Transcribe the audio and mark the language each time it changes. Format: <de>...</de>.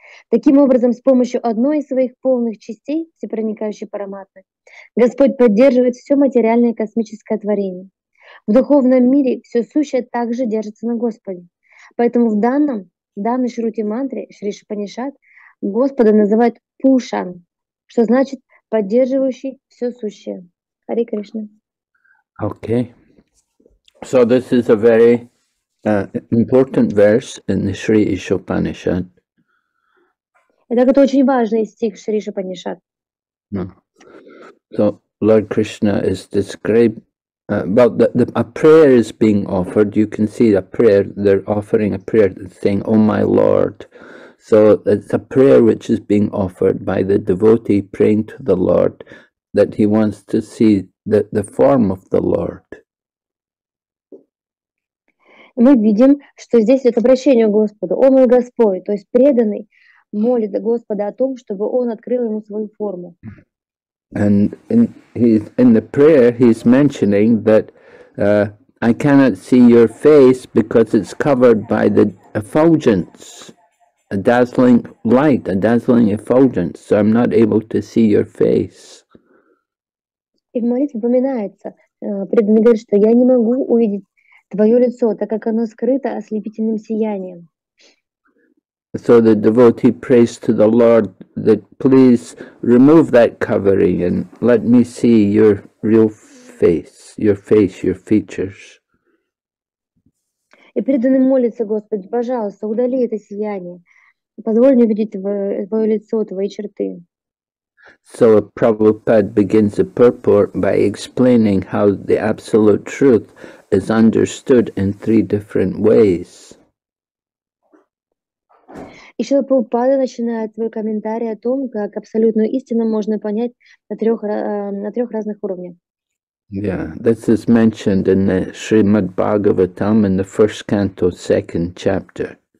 <ru>Таким образом, с помощью одной из своих полных частей, всепроникающей параматмы, Господь поддерживает все материальное космическое творение. В духовном мире все сущее также держится на Господе. Поэтому в данной шрути мантре Шри Шипанишад Господа называют Пушан, что значит поддерживающий все сущее. Хари Кришна.</ru> <en>Okay. So this is a very important verse in the Sri Ishopanishad.</en> <ru>Итак, это очень важный стих Шри Шипанишад.</ru> <en>So Lord Krishna is described, a prayer is being offered. You can see the prayer. They're offering a prayer, saying, "Oh my Lord." So it's a prayer which is being offered by the devotee praying to the Lord that he wants to see the form of the Lord.</en> <ru>Мы видим, что здесь это обращение к Господу. О мой Господь, то есть преданный. Молит Господа о том, чтобы Он открыл ему свою форму.</ru> <en>And in the prayer he's mentioning that I cannot see your face because it's covered by the effulgence a dazzling light, a dazzling effulgence, so I'm not able to see your face.</en> <ru>И в молитве упоминается, преданный говорит, что я не могу увидеть твое лицо, так как оно скрыто ослепительным сиянием.</ru> <en>So the devotee prays to the Lord that please remove that covering and let me see your real face, your face, your features.</en> <ru>И преданный молится, Господи, пожалуйста, удали это сияние. Позволь мне видеть твое лицо, твои черты.</ru> <en>So Prabhupada begins the purport by explaining how the absolute truth is understood in three different ways.</en> <ru>И Шрила Прабхупада начинает свой комментарий о том, как абсолютную истину можно понять на трех разных уровнях.</ru> <en>Yeah, this is mentioned in the Srimad Bhagavatam in the first canto, second chapter.</en>